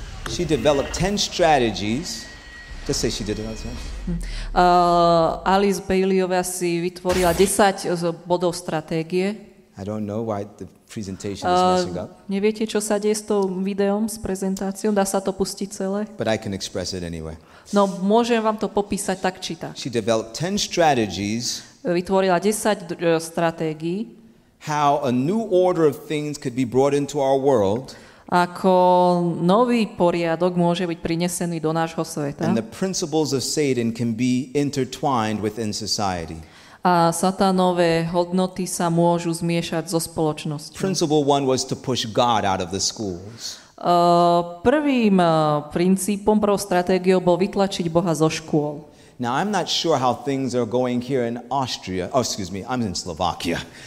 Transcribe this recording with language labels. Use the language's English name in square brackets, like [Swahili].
[English] She developed 10 strategies. Just say she did it. [Slovak] Alice Baileyová si vytvorila 10 bodov stratégie. [English] I don't know why the presentation is messing up. [Slovak] Neviete, čo sa deje s tou videom, s prezentáciou? Dá sa to pustiť celé? [English] But I can express it anyway. [Slovak] No, môžem vám to popísať tak, či tak. [English] She developed 10 strategies. [Slovak] Vytvorila 10 stratégií. [English] How a new order of things could be brought into our world. [Slovak] Ako nový poriadok môže byť prinesený do nášho sveta. [English] And the principles of Satan can be intertwined within society. [Slovak] A satanové hodnoty sa môžu zmiešať so spoločnosťou. [English] Principle one was to push God out of the schools. [Slovak] Prvým princípom, prvou stratégiou bol vytlačiť Boha zo škôl. [English] Now I'm not sure how things are going here in Austria. Oh, excuse me, I'm in Slovakia.